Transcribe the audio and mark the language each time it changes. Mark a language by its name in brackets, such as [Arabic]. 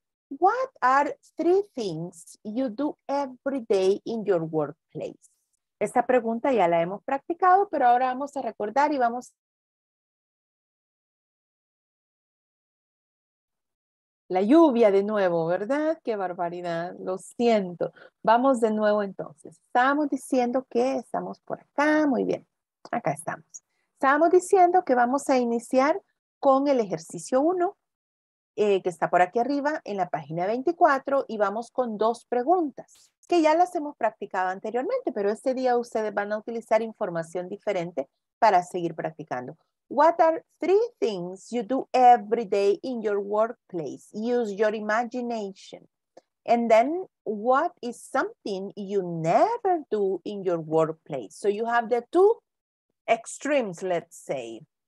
[English] What are three things you do every day in your workplace? [Spanish] Esta pregunta ya la hemos practicado, pero ahora vamos a recordar y vamos. La lluvia de nuevo, ¿verdad? Qué barbaridad, lo siento. Vamos de nuevo entonces. Estamos diciendo que estamos por acá. Muy bien, acá estamos. Estábamos diciendo que vamos a iniciar con el ejercicio 1, que está por aquí arriba en la página 24, y vamos con dos preguntas, que ya las hemos practicado anteriormente, pero este día ustedes van a utilizar información diferente para seguir practicando. [English] What are three things you do every day in your workplace? Use your imagination. And then, what is something you never do in your workplace? So you have the two extremes, let's say.